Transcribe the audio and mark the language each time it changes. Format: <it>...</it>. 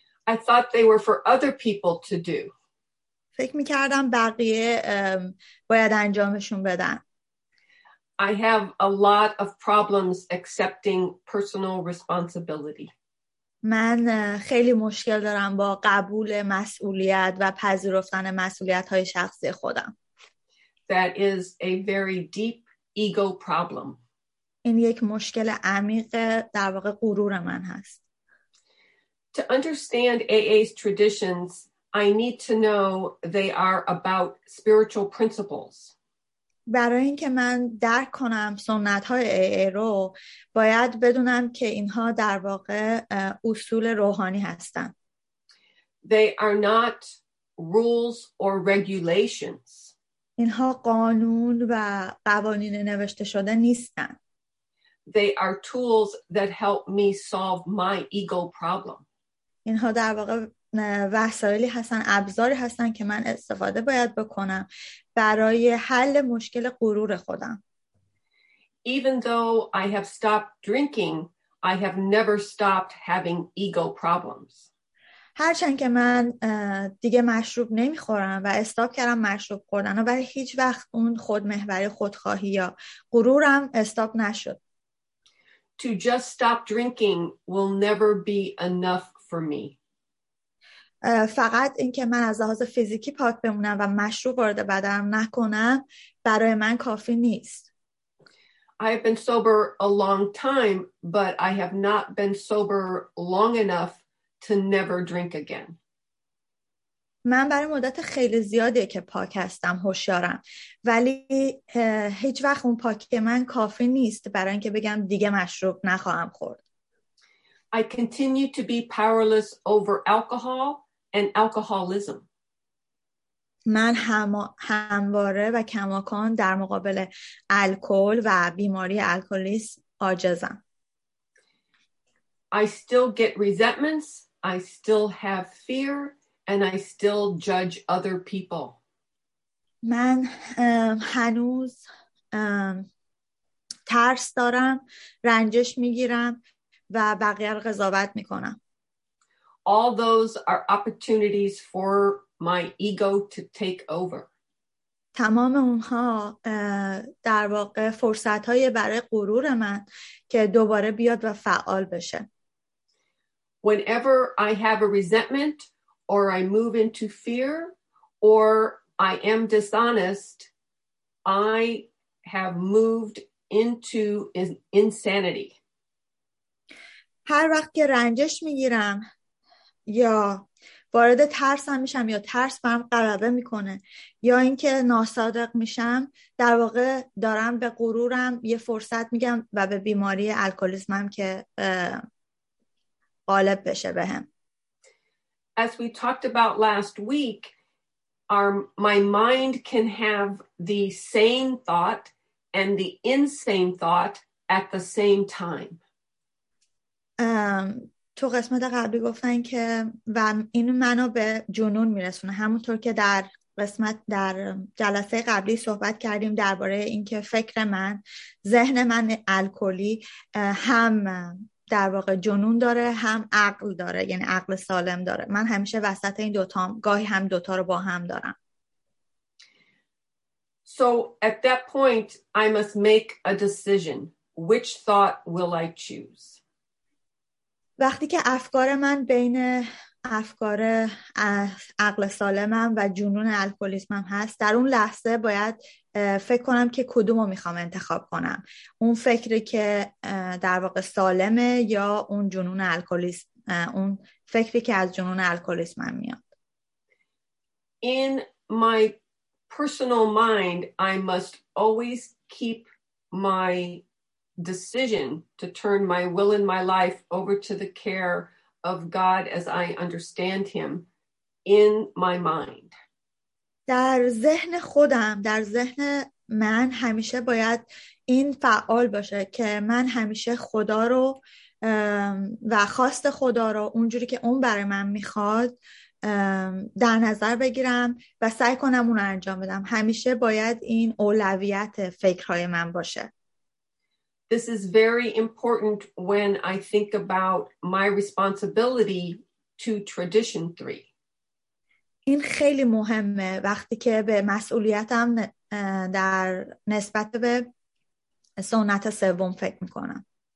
<en>I thought they were for other people to do.</en> <fa>فکر می‌کردم بقیه باید انجامشون بدن.</fa> <en>I have a lot of problems accepting personal responsibility.</en> <fa>من خیلی مشکل دارم با قبول مسئولیت و پذیرفتن مسئولیت‌های شخصی خودم.</fa> <en>That is a very deep ego problem.</en> <fa>این یک مشکل عمیق در واقع غرور من هست.</fa> <en>To understand AA's traditions, I need to know they are about spiritual principles.</en> <fa>برای اینکه من درک کنم سنت‌های AA رو، باید بدونم که اینها در واقع اصول روحانی هستند.</fa> <en>They are not rules or regulations.</en> <fa>اینها قانون و قوانین نوشته شده نیستند.</fa> <en>They are tools that help me solve my ego problem.</en> <fa>اینها در واقع وسایلی هستن، ابزاری هستن که من استفاده باید بکنم برای حل مشکل غرور خودم.</fa> <en>Even though I have stopped drinking, I have never stopped having ego problems.</en> <fa>هرچند که من دیگه مشروب نمیخورم و استاپ کردم مشروب خوردن، ولی هیچ وقت اون خودمحوری، خودخواهی یا غرورم استاپ نشد.</fa> <en>To just stop drinking will never be enough for me.</en> <fa>فقط اینکه من از لحاظ فیزیکی پاک بمونم و مشروب وارد بدنم نکنم برای من کافی نیست.</fa> <en>I have been sober a long time, but I have not been sober long enough to never drink again.</en> <fa>من برای مدت خیلی زیادیه که پاک هستم، هوشیارم، ولی هیچ وقت اون پاکی من کافی نیست برای اینکه بگم دیگه مشروب نخواهم خورد.</fa> <en>I continue to be powerless over alcohol and alcoholism.</en> <fa>من همواره و کماکان در مقابل الکل و بیماری الکلیسم عاجزم.</fa> <en>I still get resentments, I still have fear, and I still judge other people.</en> <fa>من هنوز ترس دارم، رنجش میگیرم و بقیه رو قضاوت میکنم.</fa> <en>All those are opportunities for my ego to take over.</en> <fa>تمام اونها در واقع فرصت‌های برای غرور من که دوباره بیاد و فعال بشه.</fa> <en>Whenever I have a resentment or I move into fear or I am dishonest, I have moved into insanity.</en> <fa>هر وقت که رنجش میگیرم یا وارد ترسم میشم یا ترس برم غلبه میکنه یا اینکه ناصادق میشم، در واقع دارم به غرورم یه فرصت میگم و به بیماری الکلیزمم که غالب بشه بهم.</fa> <en>As we talked about last week, my mind can have the sane thought and the insane thought at the same time.</en> <fa>تو قسمت قبلی گفتن که و این منو به جنون میرسونه، همونطور که در قسمت در جلسه قبلی صحبت کردیم درباره اینکه فکر من، ذهن من الکلی هم در واقع جنون داره هم عقل داره، یعنی عقل سالم داره. من همیشه وسط این دوتا، گاهی هم دوتا رو با هم دارم.</fa> <en>So at that point I must make a decision, which thought will I choose?</en> <fa>وقتی که افکار من بین افکار عقل سالمم و جنون الکلیسمم هست، در اون لحظه باید فکر کنم که کدومو میخوام انتخاب کنم، اون فکری که در واقع سالمه یا اون جنون الکلیسم، اون فکری که از جنون الکلیسمم میاد.</fa> <en>In my personal mind I must always keep my decision to turn my will and my life over to the care of God as I understand him in my mind.</en> <fa>در ذهن خودم، در ذهن من همیشه باید این فعال باشه که من همیشه خدا رو و خواست خدا رو اونجوری که اون برای من میخواد در نظر بگیرم و سعی کنم اون رو انجام بدم. همیشه باید این اولویت فکرهای من باشه.</fa> <en>This is very important when I think about my responsibility to tradition 3.</en> <fa>این خیلی مهمه وقتی که به مسئولیتم در نسبت به سنت سوم فکر میکنم.</fa>